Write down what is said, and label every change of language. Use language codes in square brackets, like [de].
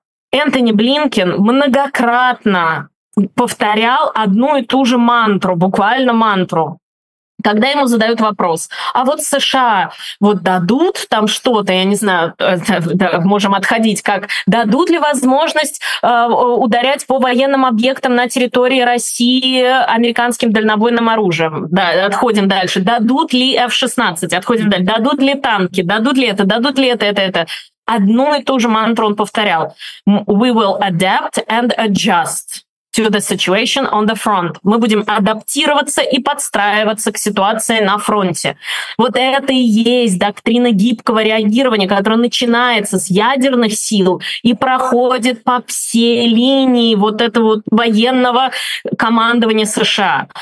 [ru] Энтони Блинкен многократно повторял одну и ту же мантру, буквально мантру, когда ему задают вопрос: а вот США вот дадут там что-то, я не знаю, можем отходить, как дадут ли возможность ударять по военным объектам на территории России американским дальнобойным оружием? Да, отходим дальше. Дадут ли F-16? Отходим дальше. Дадут ли танки? Дадут ли это? одну и ту же мантру он повторял. [en] We will adapt and adjust to the situation on the front. [ru] Мы будем адаптироваться и подстраиваться к ситуации на фронте. Вот это и есть доктрина гибкого реагирования, которая начинается с ядерных сил и проходит по всей линии вот этого вот военного командования США.